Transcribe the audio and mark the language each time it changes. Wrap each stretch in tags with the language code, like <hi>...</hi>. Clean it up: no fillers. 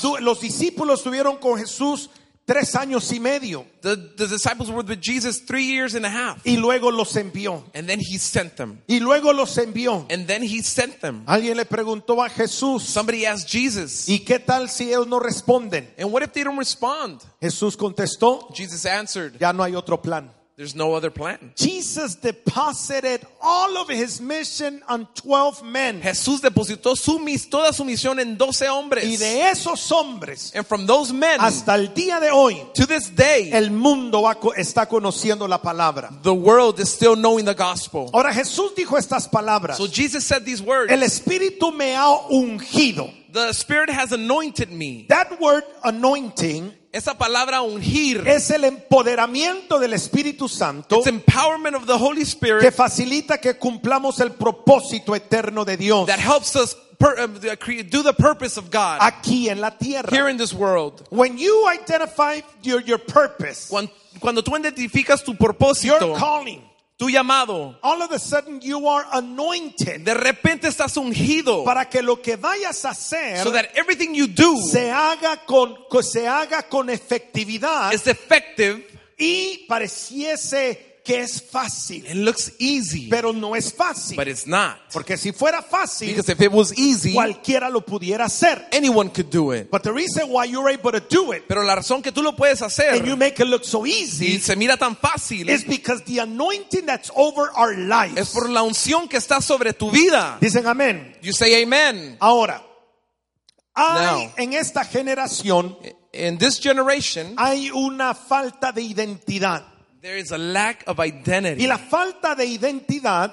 <es>Los discípulos estuvieron con Jesús tres años y medio.</es> <en>The disciples were with Jesus 3 years and a half.</en> <es>Y luego los envió.</es> <en>And then he sent them.</en> <es>Y luego los envió.</es> <en>And then he sent them.</en> <es>Alguien le preguntó a Jesús.</es> <en>Somebody asked Jesus.</en> <es>¿Y qué tal si ellos no responden?</es> <en>And what if they don't respond?</en> <es>Jesús contestó.</es> <en>Jesus answered.</en> <es>Ya no hay otro plan.</es> <en>There's no other plan. Jesus deposited all of his mission on 12 men.</en> <es>Jesús depositó toda su misión en 12 hombres. Y de esos hombres,</es> <en>and from those men,</en> <es>hasta el día de hoy,</es> <en>to this day,</en> <es>el mundo está conociendo la palabra.</es> <en>The world is still knowing the gospel.</en> <es>Ahora Jesús dijo estas palabras.</es> <en>So Jesus said these words.</en> <es>El Espíritu me ha ungido.</es> <en>The Spirit has anointed me. That word anointing,</en> <es>esa palabra ungir, es el empoderamiento del Espíritu Santo.</es> <en>It's empowerment of the Holy Spirit</en> <es>que facilita que cumplamos el propósito eterno de Dios.</es> <en>That helps us do the purpose of God</en> <es>aquí en la tierra.</es> <en>Here in this world. When you identify your purpose,</en> <es>cuando tú identificas tu propósito,</es> <en>your calling,</en> <es>tu llamado,</es> <en>all of a sudden you are anointed.</en> <es>De repente estás ungido. Para que lo que vayas a hacer,</es> <en>so that everything you do,</en> <es>se haga con efectividad,</es> <en>is effective,</en> <es>y pareciese que es fácil.</es> <en>It looks easy,</en> <es>pero no es fácil.</es> <en>But it's not.</en> <es>Porque si fuera fácil,</es> <en>because if it was easy,</en> <es>cualquiera lo pudiera hacer.</es> <en>Anyone could do it. But the reason why you're able to do it,</en> <es>pero la razón que tú lo puedes hacer,</es> <en>and you make it look so easy,</en> <es>y se mira tan fácil,</es> <en>is because the anointing that's over our lives.</en> <es>Es por la unción que está sobre tu vida. Dicen amén.</es> <en>You say amen.</en> <es>Ahora, hay en esta generación,</es> <en>in this generation,</en> <es>hay una falta de identidad.</es> <en>There is a lack of identity.</en> <es>Y la falta de identidad,</es>